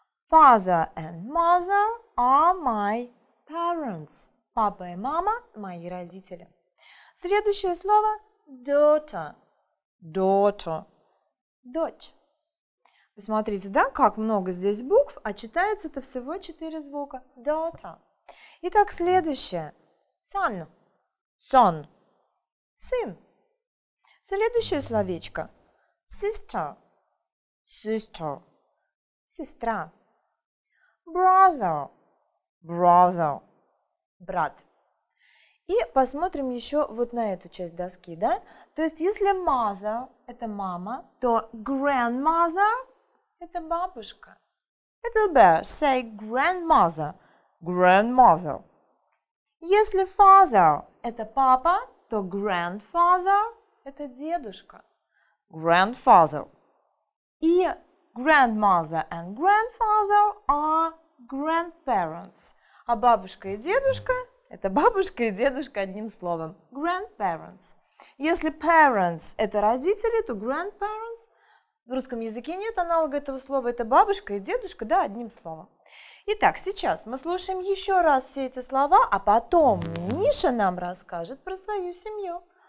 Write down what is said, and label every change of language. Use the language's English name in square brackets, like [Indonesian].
[English] Father and mother are my parents. [Russian] Папа и мама – мои родители. Следующее слово – daughter. [English] Daughter. [Russian] Дочь. Посмотрите, да, как много здесь букв, а читается это всего 4 звука. Daughter. Итак, следующее. Son. [English] Son. [Russian] Сын. Следующее словечко. Sister. [English] Sister. [Russian] Сестра. Brother. [English] Brother. [Russian] Брат. И посмотрим еще вот на эту часть доски, да? То есть, если mother – это мама, то grandmother – это бабушка. [English] Little bear, say grandmother. Grandmother. [Russian] Если father – это папа, то grandfather – это дедушка. [English] Grandfather. И grandmother and grandfather are grandparents. [Russian] А бабушка и дедушка – это бабушка и дедушка одним словом. Grandparents. Если parents – это родители, то grandparents. В русском языке нет аналога этого слова. Это бабушка и дедушка, да, одним словом. Итак, сейчас мы слушаем еще раз все эти слова, а потом Миша нам расскажет про свою семью.